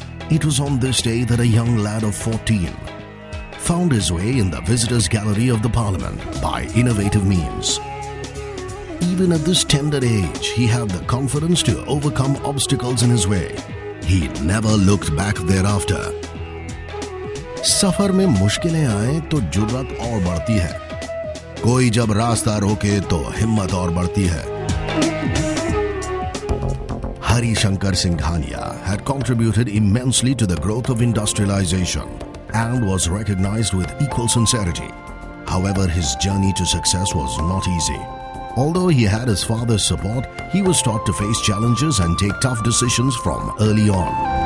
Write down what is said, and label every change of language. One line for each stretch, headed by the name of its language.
English: It was on this day that a young lad of 14 found his way in the visitors gallery of the Parliament by innovative means. Even at this tender age, he had the confidence to overcome obstacles in his way. He never looked back thereafter.
Hindi: सफर में मुश्किलें आए तो जुर्रत और बढ़ती है, कोई जब रास्ता रोके तो हिम्मत और बढ़ती है।
English: Harishankar Singhania had contributed immensely to the growth of industrialization and was recognized with equal sincerity. However, his journey to success was not easy. Although he had his father's support, he was taught to face challenges and take tough decisions from early on.